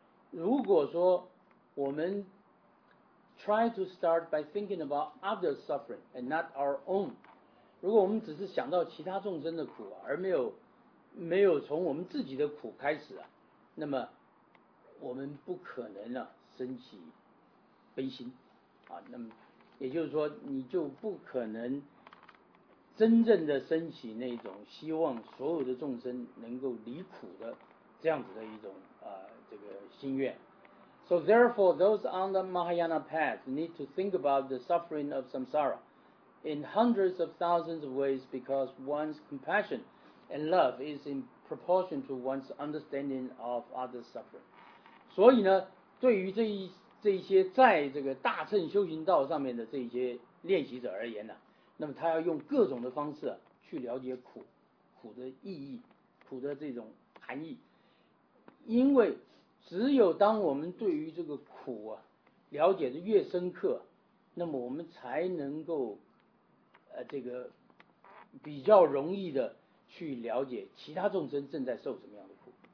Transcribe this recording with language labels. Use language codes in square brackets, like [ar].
[zh] 如果说我们 [en] try to start by thinking about others' suffering and not our own， [zh] 如果我们只是想到其他众生的苦啊，而没有从我们自己的苦开始啊，那么我们不可能啊升起悲心啊。那么也就是说，你就不可能真正的升起那种希望所有的众生能够离苦的这样子的一种这个心愿。 [en] So therefore, those on the Mahayana path need to think about the suffering of samsara in hundreds of thousands of ways, because one's compassion and love is in proportion to one's understanding of others' suffering. [zh] 所以呢，对于这一些在这个大乘修行道上面的这一些练习者而言呢，那么他要用各种的方式去了解苦，苦的意义，苦的这种含义。因为只有当我们对于这个苦啊了解的越深刻，那么我们才能够这个比较容易的去了解其他众生正在受什么样的苦。